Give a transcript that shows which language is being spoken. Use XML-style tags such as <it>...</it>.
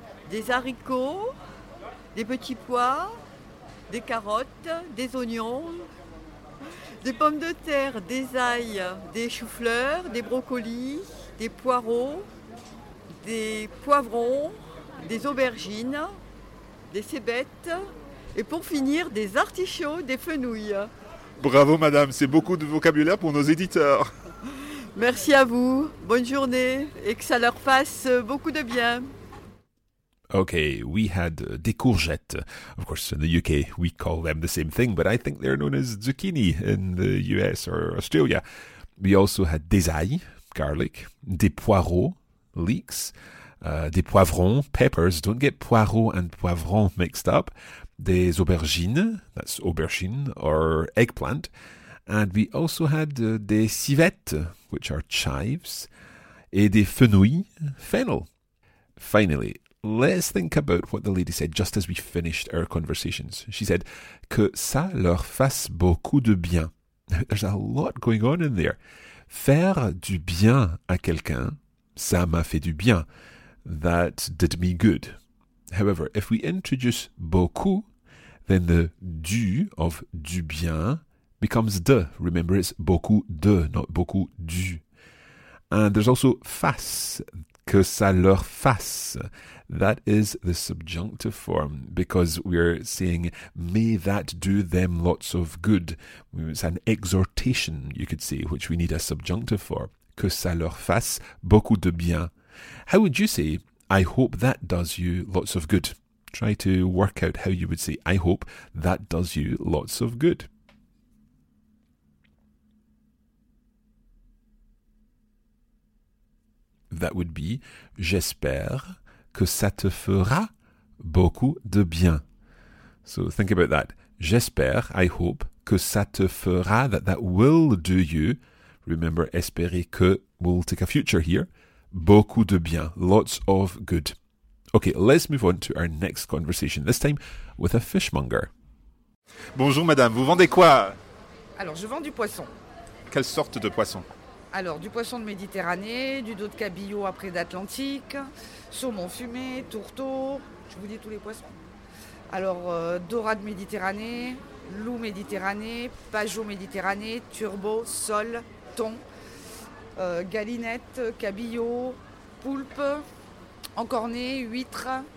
<fr>des haricots, des petits pois, des carottes, des oignons, des pommes de terre, des ails, des choux-fleurs, des brocolis, des poireaux, des poivrons, des aubergines, des cébettes et pour finir, des artichauts, des fenouilles. Bravo madame, c'est beaucoup de vocabulaire pour nos éditeurs. Merci à vous, bonne journée et que ça leur fasse beaucoup de bien.</fr> <en>Okay, we had des courgettes. Of course, in the UK, we call them the same thing, but I think they're known as zucchini in the US or Australia. We also had des ailes, garlic, des poireaux, leeks, des poivrons, peppers. Don't get poireaux and poivron mixed up. Des aubergines, that's aubergine or eggplant. And we also had des civettes, which are chives, et des fenouilles, fennel. Finally, let's think about what the lady said just as we finished our conversations. She said,</en> <fr>que ça leur fasse beaucoup de bien.</fr> <en>There's a lot going on in there.</en> <fr>Faire du bien à quelqu'un, ça m'a fait du bien.</fr> <en>That did me good. However, if we introduce beaucoup, then the du of du bien becomes de. Remember, it's beaucoup de, not beaucoup du. And there's also fasse.</en> <fr>Que ça leur fasse.</fr> <en>That is the subjunctive form because we're saying may that do them lots of good. It's an exhortation, you could say, which we need a subjunctive for.</en> <fr>Que ça leur fasse beaucoup de bien.</fr> <en>How would you say I hope that does you lots of good? Try to work out how you would say I hope that does you lots of good. That would be,</en> <fr>j'espère que ça te fera beaucoup de bien.</fr> <en>So think about that. J'espère, I hope,</en> <fr>que ça te fera,</fr> <en>that will do you, remember, espérer que, will take a future here,</en> <fr>beaucoup de bien,</fr> <en>lots of good. Okay, let's move on to our next conversation, this time with a fishmonger.</en> <fr>Bonjour madame, vous vendez quoi? Alors, je vends du poisson. Quelle sorte de poisson? Alors, du poisson de Méditerranée, du dos de cabillaud après d'Atlantique, saumon fumé, tourteau, je vous dis tous les poissons. Alors, dorade Méditerranée, loup Méditerranée, pajot Méditerranée, turbo, sol, thon, galinette, cabillaud, poulpe, encorné, huître.</fr>